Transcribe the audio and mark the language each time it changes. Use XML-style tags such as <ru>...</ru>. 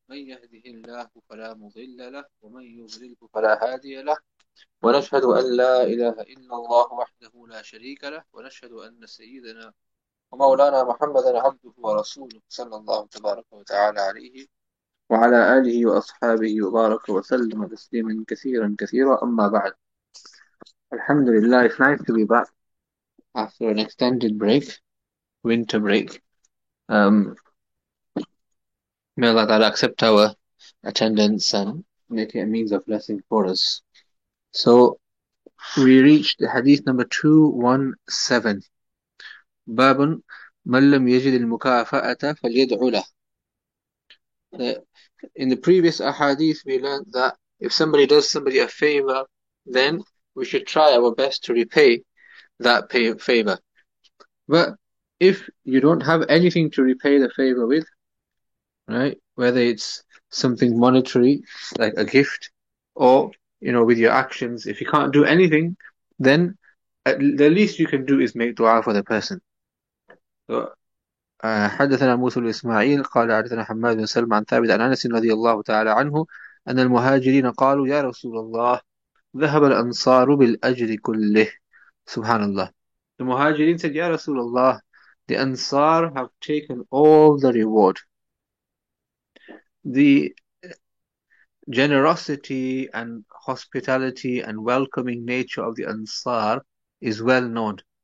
<ar>من يهده الله فلا مضل له، ومن يضلل فلا هادي له. ونشهد أن لا إله إلا الله وحده لا شريك له، ونشهد أن سيدنا ومولانا محمدا عبده ورسوله، صلى الله تبارك وتعالى عليه وعلى آله وأصحابه وبارك وسلم تسليما كثيرا كثيرا. أما بعد، الحمد لله،</ar> <en>it's nice to be back after an extended break, winter break. May Allah Ta'ala accept our attendance and make it a means of blessing for us. So we reached hadith number 217.</en> <ar>باب من لم يجد المكافأة فليدعو له.</ar> <en>In the previous ahadith, we learned that if somebody does somebody a favor, then we should try our best to repay that favor. But if you don't have anything to repay the favor with, right, whether it's something monetary, like a gift, or, you know, with your actions, if you can't do anything, then the least you can do is make dua for the person.</en> <ar>حدثنا موسى الإسماعيل قال حدثنا حماد بن سلمة عن ثابت عن أنس رضي الله تعالى عنه أن المهاجرين قالوا يا رسول الله ذهب الأنصار بالأجر كله. سبحان الله.</ar> <en>The مهاجرين said,</en> <ar>يا رسول الله,</ar> <en>the Ansar have taken all the reward. The generosity and hospitality and welcoming nature of the Ansar is well known.</en>